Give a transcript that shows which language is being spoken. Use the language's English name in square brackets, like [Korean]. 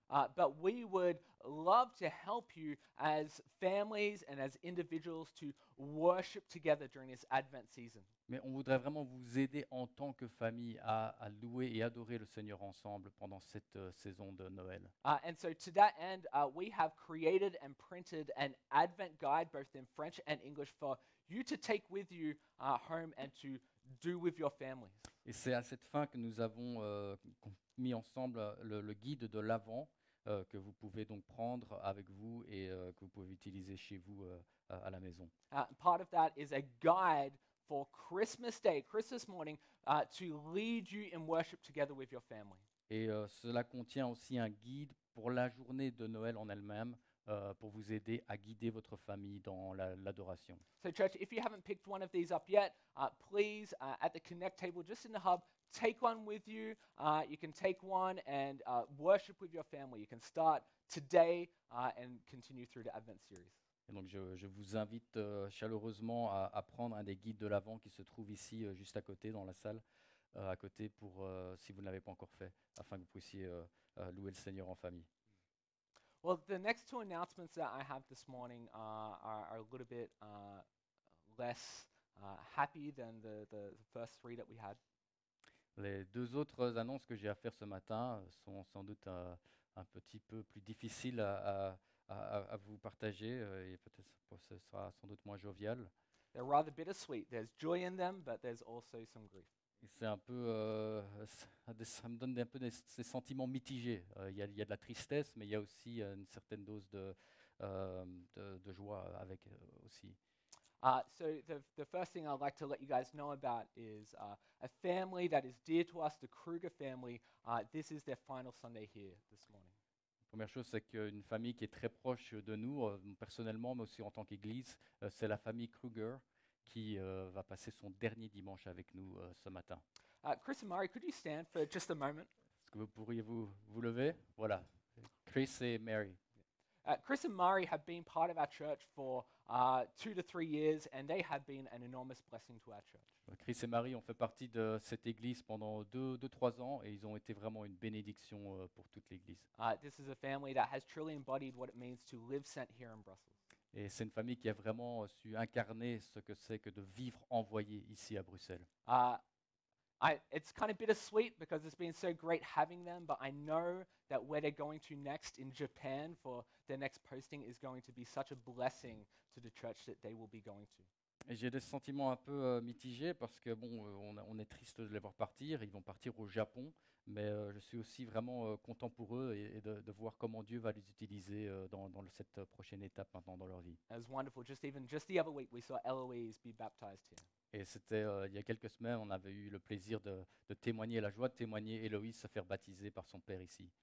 [English] But we would love to help you as families and as individuals to worship together during this Advent season. [French] Mais on voudrait vraiment vous aider en tant que famille à louer et adorer le Seigneur ensemble pendant cette saison de Noël. [English] And so to that end, we have created and printed an Advent guide, both in French and English, for you to take with you home and to do with your families. [French] Et c'est à cette fin que nous avons mis ensemble le guide de l'Avent que vous pouvez donc prendre avec vous et que vous pouvez utiliser chez vous à la maison. [English] Part of that is a guide for Christmas Day, Christmas morning, to lead you in worship together with your family. [French] Et cela contient aussi un guide pour la journée de Noël en elle-même, pour vous aider à guider votre famille dans l'adoration. [English] So church, if you haven't picked one of these up yet, please, at the Connect table, just in the hub, take one with you. You can take one and worship with your family. You can start today and continue through the Advent series. [French] Et donc je vous invite chaleureusement à prendre un des guides de l'Avent qui se trouve ici, juste à côté, dans la salle, à côté, pour si vous ne l'avez pas encore fait, afin que vous puissiez louer le Seigneur en famille. [English] Well, the next two announcements that I have this morning are a little bit less happy than the first three that we had. [French] Les deux autres annonces que j'ai à faire ce matin sont sans doute un petit peu plus difficiles à vous partager, et peut-être ce sera sans doute moins jovial. [English] They're rather bittersweet. There's joy in them, but there's also some grief. [French] C'est un peu, ça me donne un peu des sentiments mitigés. Il y a de la tristesse, mais il y a aussi une certaine dose de joie avec aussi. [English] So the first thing I'd like to let you guys know about is a family that is dear to us, the Kruger family. This is their final Sunday here this morning. [French] Première chose, c'est qu'une famille qui est très proche de nous, personnellement, mais aussi en tant qu'église, c'est la famille Kruger qui va passer son dernier dimanche avec nous ce matin. Chris et Mary, [English] could you stand for just a moment? [French] Est-ce que vous pourriez vous lever? Voilà, Chris et Mary. [English] Chris and Mary have been part of our church for 2 to 3 years, and they have been an enormous blessing to our church. [French] Chris et Mary ont fait partie de cette église pendant 2-3 ans, et ils ont été vraiment une bénédiction pour toute l'église. [English] This is a family that has truly embodied what it means to live sent here in Brussels. [French] Et c'est une famille qui a vraiment su incarner ce que c'est que de vivre envoyé ici à Bruxelles. [English] It's kind of bittersweet because it's been so great having them, but I know that where they're going to next in Japan for their next posting is going to be such a blessing to the church that they will be going to. [French] Et j'ai des sentiments un peu mitigés parce que bon, on est triste de les voir partir. Ils vont partir au Japon, mais je suis aussi vraiment content pour eux et de voir comment Dieu va les utiliser dans cette prochaine étape maintenant dans leur vie. [English] It was wonderful. Just the other week, we saw Eloise be baptized here. [French] Et c'était il y a quelques semaines, on avait eu le plaisir de témoigner, la joie de témoigner Eloïse se faire baptiser par son père ici.